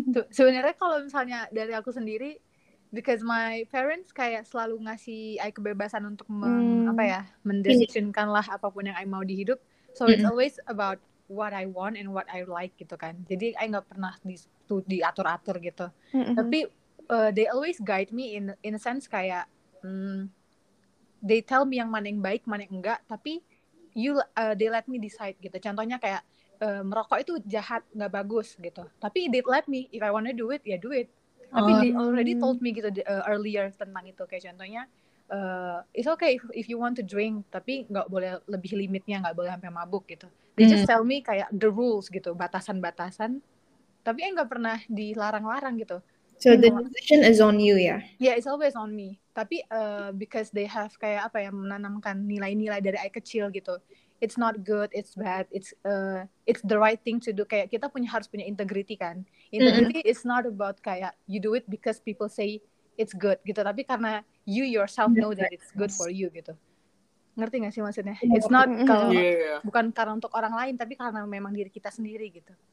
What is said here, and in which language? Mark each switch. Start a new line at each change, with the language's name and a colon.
Indonesian: Sebenarnya kalau misalnya dari aku sendiri,
English: because my parents
Indonesian: kayak selalu ngasih I kebebasan untuk mendesisionkan lah apapun yang I mau di hidup.
English: So it's always about what I want and what I like
Indonesian: gitu kan. Jadi I nggak pernah diatur-atur gitu. Tapi
English: they always guide me in a sense
Indonesian: kayak
English: they tell me
Indonesian: yang mana yang baik, mana yang enggak, tapi
English: they let me decide
Indonesian: gitu. Contohnya kayak merokok itu jahat, enggak bagus gitu.
English: Tapi they let me, if I wanna do it, ya do it. Tapi they already told me gitu earlier
Indonesian: tentang itu. Kayak contohnya,
English: it's okay if you want to drink,
Indonesian: tapi enggak boleh lebih limitnya, enggak boleh sampai mabuk gitu.
English: They just tell me
Indonesian: kayak
English: the rules
Indonesian: gitu, batasan-batasan. Tapi enggak pernah dilarang-larang gitu.
English: So the decision is on you, ya? Yeah, it's always on me. Tapi because they have
Indonesian: kayak apa ya, menanamkan nilai-nilai dari I kecil gitu.
English: It's not good, it's bad, it's the right thing to do.
Indonesian: Kayak kita harus punya
English: integrity kan. Integrity is not about kayak you do it because people say it's good gitu.
Indonesian: Tapi karena
English: you yourself know that it's good for you gitu.
Indonesian: Ngerti gak sih maksudnya?
English: It's not
Indonesian: bukan karena untuk orang lain, tapi karena memang diri kita sendiri gitu.